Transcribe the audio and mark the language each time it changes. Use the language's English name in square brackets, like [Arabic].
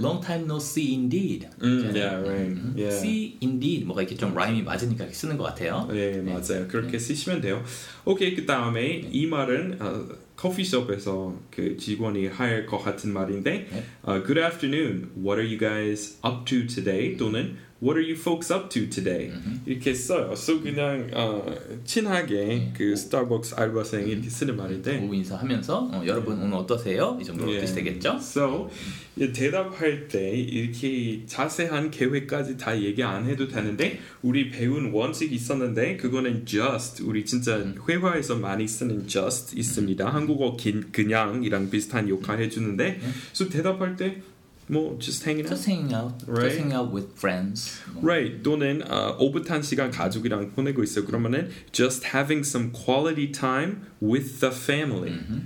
[English] Long time no see indeed. Yeah, right. Yeah. See indeed. [Korean] 뭐가 이렇게 좀 rhyme이 맞으니까 이렇게 쓰는 것 같아요. 네, 맞아요. 그렇게 쓰시면 돼요. 오케이, 그 다음에 이 말은 커피숍에서 그 직원이 할 것 같은 말인데 네? [English] Good afternoon. What are you guys up to today? 또는 What are you folks up to today? [Korean] 이렇게 써요. So 그냥 친하게 네. 그 스타벅스 알바생이 이렇게 쓰는 말인데 오후 인사하면서 여러분 오늘 어떠세요? 이 정도로 뜻이 되겠죠? So 대답할 때 이렇게 자세한 계획까지 다 얘기 안 해도 되는데 우리 배운 원칙이 있었는데 그거는 just 우리 진짜 회화에서 많이 쓰는 just 있습니다. 한국어 그냥이랑 비슷한 역할 해주는데 So 대답할 때 뭐 [English] just hanging out, just hanging out, right? just hanging out with friends, right? [Korean] 또는 오붓한 시간 가족이랑 보내고 있어. [English] 그러면은 just having some quality time with the family.